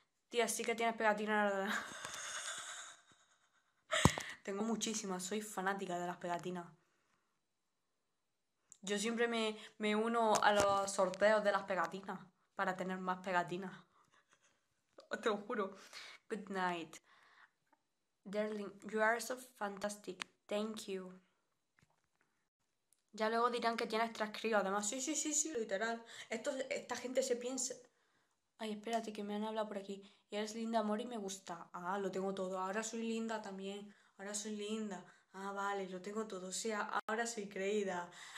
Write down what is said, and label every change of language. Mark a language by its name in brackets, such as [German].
[Spanish] Tía, sí que tienes pegatina. Tengo muchísimas, soy fanática de las pegatinas. Yo siempre me uno a los sorteos de las pegatinas para tener más pegatinas. Te lo juro. [English] Good night. Darling, you are so fantastic. Thank you. [Spanish] Ya luego dirán que tienes transcrito, además. Sí, literal. Esta gente se piensa. Ay, espérate, que me han hablado por aquí. Y eres linda, amor, y me gusta. Ah, lo tengo todo. Ahora soy linda también. Ahora soy linda. Ah, vale, lo tengo todo. O sea, ahora soy creída.